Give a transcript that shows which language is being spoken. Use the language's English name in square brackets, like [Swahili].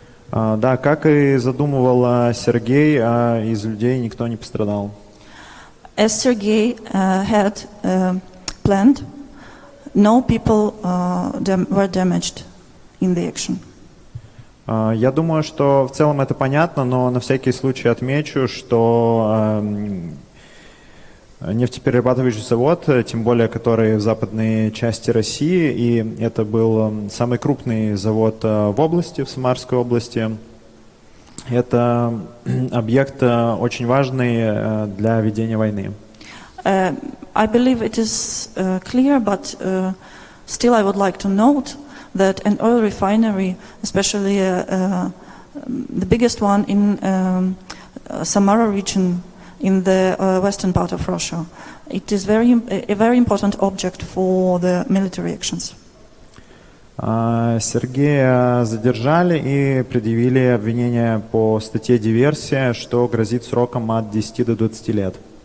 [Russian] Да, как и задумывал Сергей, из людей никто не пострадал. [English] As Sergei had planned, no people were damaged in the action. [Russian] Я думаю, что в целом это понятно, но на всякий случай отмечу, что нефтеперерабатывающий завод, тем более который в западной части России, и это был самый крупный завод в области, в Самарской области, это объект очень важный для ведения войны. [English] I believe it is clear, but still I would like to note that an oil refinery, especially the biggest one in Samara region, in the western part of Russia, it is very a very important object for the military actions. [Russian] Сергея задержали и предъявили обвинение по статье диверсия, что грозит сроком от 10 до 20 лет.